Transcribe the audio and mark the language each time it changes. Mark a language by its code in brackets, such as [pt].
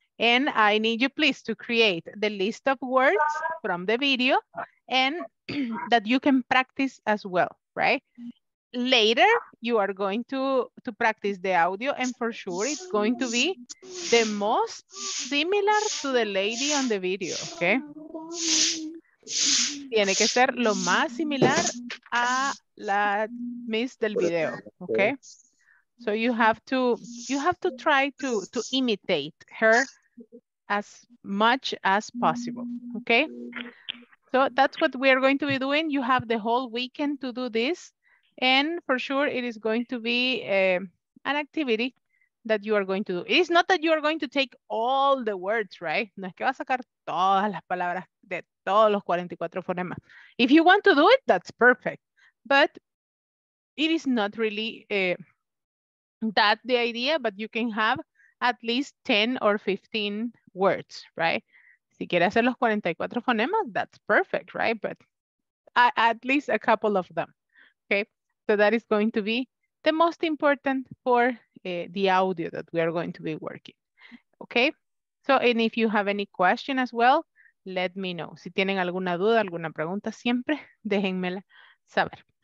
[en] And I need you please to create the list of words from the video and that you can practice as well, right? Later, you are going to practice the audio, and for sure it's going to be the most similar to the lady on the video, okay? [es] Tiene que ser lo más similar a la miss del video, okay? [en] So you have to try to imitate her as much as possible, okay? So that's what we are going to be doing. You have the whole weekend to do this. And for sure, it is going to be an activity that you are going to do. It's not that you are going to take all the words, right? [es] No es que vas a sacar todas las palabras de todos los 44 fonemas. [en] If you want to do it, that's perfect. But it is not really that the idea, but you can have at least 10 or 15 words, right? [es] Si quieres hacer los 44 fonemas, [en] that's perfect, right? But at least a couple of them, okay? So that is going to be the most important for the audio that we are going to be working. Okay? So, and if you have any question as well, let me know. [es] Si tienen alguna duda, alguna pregunta, siempre déjenmela saber.